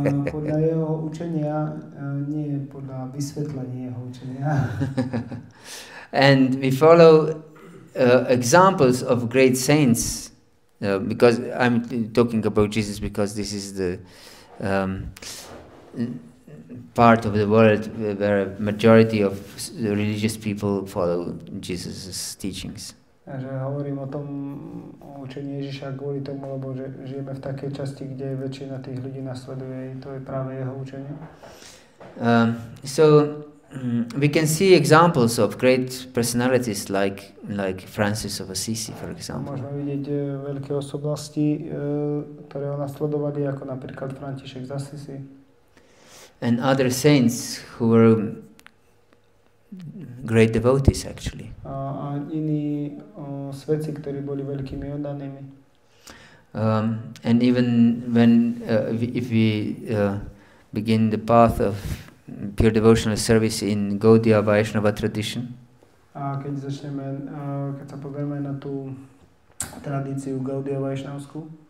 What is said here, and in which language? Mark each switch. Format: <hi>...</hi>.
<sk>Podľa jeho učenia, nie podľa vysvetlenia jeho učenia.</sk> <en>And we follow examples of great saints, because I'm talking about Jesus, because this is the part of the world where a majority of religious people follow Jesus' teachings.</en> <sk>Že hovorím o tom učení Ježiša kvôli tomu, lebo že žijeme v takej časti, kde väčšina tých ľudí nasleduje, to je práve jeho učenie.</sk> <en>So we can see examples of great personalities like Francis of Assisi, for example.</en> <sk>Môžeme vidieť veľké osobnosti, ktoré ho nasledovali, ako napríklad František z Assisi.</sk> <en>And other saints who were great devotees, actually.</en> <sk>A iní svätci, ktorí boli veľkými oddanými.</sk> <en>And even when if we begin the path of pure devotional service in Gaudiya Vaishnava tradition.</en> <sk>A keď začneme, keď sa pozrieme na tú tradíciu Gaudiya Vaishnavskú.</sk>